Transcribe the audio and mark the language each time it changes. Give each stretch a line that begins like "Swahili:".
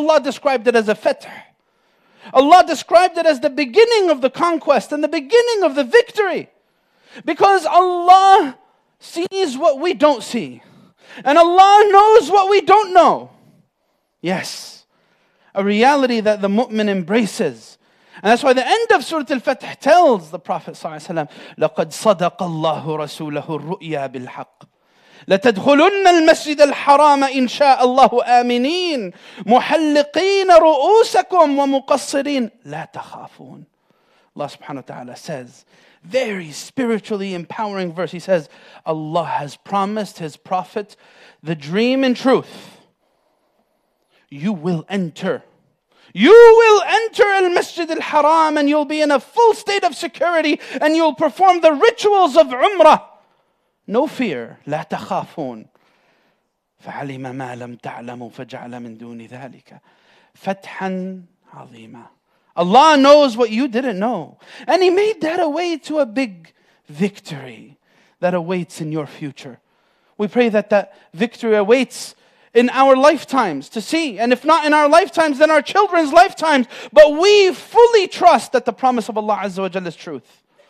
English: Allah described it as a fath. Allah described it as the beginning of the conquest and the beginning of the victory. Because Allah sees what we don't see. And Allah knows what we don't know. Yes, a reality that the mu'min embraces. And that's why the end of Surah Al-Fath tells the Prophet ﷺ,
Arabic: لَقَدْ صَدَقَ اللَّهُ رَسُولَهُ الرُّؤْيَا بِالْحَقِّ لَتَدْخُلُنَّ الْمَسْجِدَ الْحَرَامَ إِنْ شَاءَ اللَّهُ آمِنِينَ مُحَلِّقِينَ رُؤُوسَكُمْ وَمُقَصِّرِينَ لَا تَخَافُونَ.
English: Allah subhanahu wa ta'ala says, very spiritually empowering verse, He says, Allah has promised His Prophet the dream and truth. You will enter. You will enter al-Masjid al-Haram and you'll be in a full state of security and you'll perform the rituals of Umrah. No fear.
Arabic: لا تخافون. فعلم ما لم تعلموا فجعل من دون ذلك فتحا عظيما.
English: Allah knows what you didn't know. And He made that a way to a big victory that awaits in your future. We pray that that victory awaits in our lifetimes to see. And if not in our lifetimes, then our children's lifetimes. But we fully trust that the promise of Allah Azza wa Jalla is truth.